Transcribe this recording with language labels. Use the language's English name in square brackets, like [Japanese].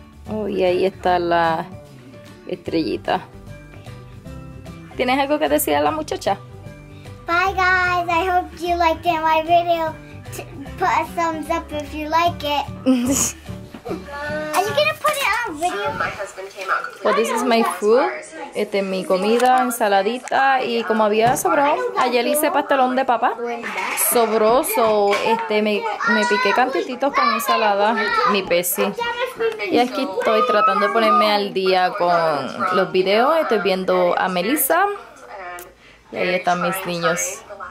[Spanish] Oh, y ahí está la estrellita. ¿Tienes algo que decir a la muchacha? [English] Bye guys, I hope you liked it, my video. Put a thumbs up if you like it. Are you gonna put it on video? Well, this is my food. [Spanish] Este es mi comida, ensaladita. Y como había sobrado, ayer hice pastelón de papa. Sobró, so, este, me piqué cantititos con ensalada, mi pesi. Y aquí estoy tratando de ponerme al día con los videos. Estoy viendo a Melissa. Y ahí están mis niños.